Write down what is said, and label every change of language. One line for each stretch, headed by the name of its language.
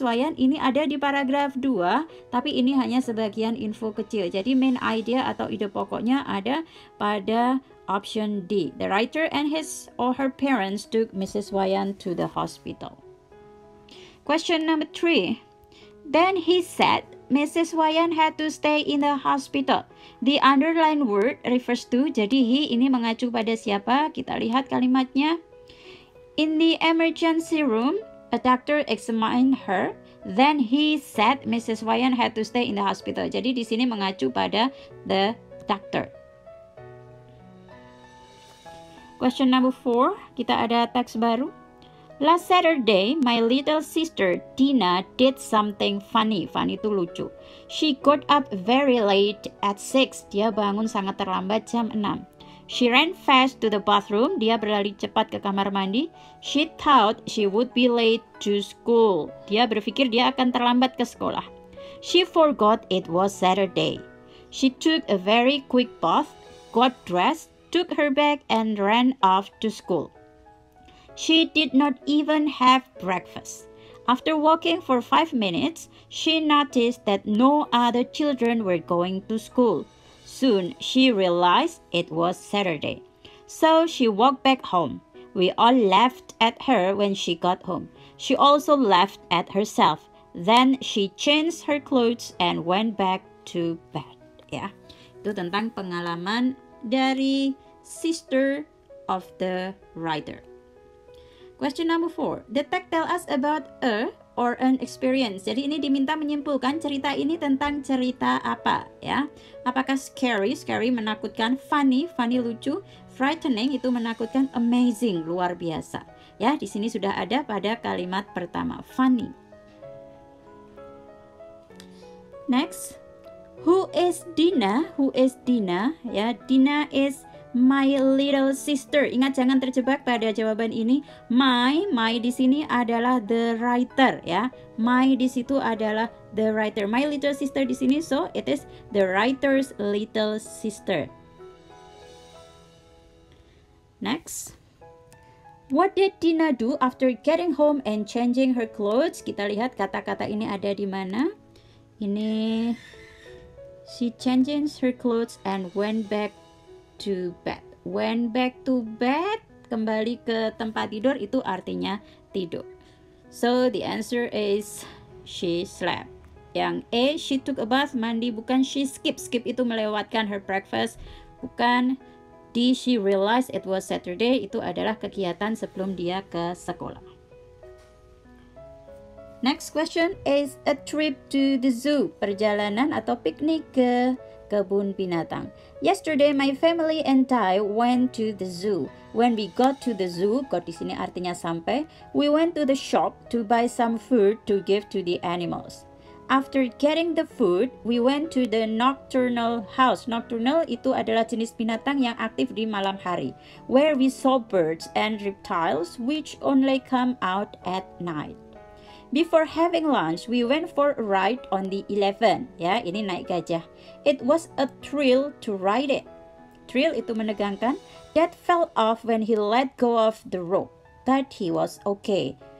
Indonesian: Wayan, ini ada di paragraf 2, tapi ini hanya sebagian info kecil. Jadi main idea atau ide pokoknya ada pada option D.
English: The writer and his or her parents took Mrs. Wayan to the hospital. Question number 3. Then he said Mrs. Wayan had to stay in the hospital. The underlined word refers to,
Indonesian: jadi he ini mengacu pada siapa? Kita lihat kalimatnya.
English: In the emergency room, a doctor examined her. Then he said Mrs. Wayan had to stay in the hospital.
Indonesian: Jadi di sini mengacu pada the doctor.
English: Question number 4,
Indonesian: kita ada teks baru.
English: Last Saturday, my little sister, Tina, did something funny. Funny
Indonesian: itu lucu.
English: She got up very late at 6.
Indonesian: Dia bangun sangat terlambat jam 6.
English: She ran fast to the bathroom.
Indonesian: Dia berlari cepat ke kamar mandi.
English: She thought she would be late to school.
Indonesian: Dia berpikir dia akan terlambat ke sekolah.
English: She forgot it was Saturday. She took a very quick bath, got dressed, took her bag and ran off to school. She did not even have breakfast. After walking for 5 minutes, she noticed that no other children were going to school. Soon, she realized it was Saturday. So she walked back home. We all laughed at her when she got home. She also laughed at herself. Then she changed her clothes and went back to bed. Yeah.
Indonesian: Itu tentang pengalaman dari
English: sister of the writer. Question number 4. The text tell us about a or an experience.
Indonesian: Jadi ini diminta menyimpulkan cerita ini tentang cerita apa, ya. Apakah scary, scary menakutkan, funny, funny lucu, frightening itu menakutkan, amazing, luar biasa. Ya, di sini sudah ada pada kalimat pertama, funny.
English: Next, who is Dina? Who is Dina? Ya, Dina is my little sister.
Indonesian: Ingat, jangan terjebak pada jawaban ini. My di sini adalah
English: the writer,
Indonesian: ya. My di situ adalah the writer.
English: My little sister
Indonesian: di sini,
English: so it is the writer's little sister. Next. What did Dina do after getting home and changing her clothes?
Indonesian: Kita lihat kata-kata ini ada di mana. Ini,
English: she changes her clothes and went back to bed.
Indonesian: Went back to bed, kembali ke tempat tidur, itu artinya tidur.
English: So the answer is she slept.
Indonesian: Yang A,
English: she took a bath, mandi,
Indonesian: bukan
English: she skip.
Indonesian: Skip itu melewatkan her breakfast, bukan. D, she realized it was Saturday, itu adalah kegiatan sebelum dia ke sekolah.
English: Next question is a trip to the zoo,
Indonesian: perjalanan atau piknik ke kebun binatang.
English: Yesterday my family and I went to the zoo. When we got to the zoo, got
Indonesian: di sini artinya sampai,
English: we went to the shop to buy some food to give to the animals. After getting the food, we went to the nocturnal house.
Indonesian: Nocturnal itu adalah jenis binatang yang aktif di malam hari.
English: Where we saw birds and reptiles which only come out at night. Before having lunch, we went for a ride on the 11.
Indonesian: Ya, ini naik gajah.
English: It was a thrill to ride it. Thrill
Indonesian: itu menegangkan.
English: Dad fell off when he let go of the rope, but he was okay.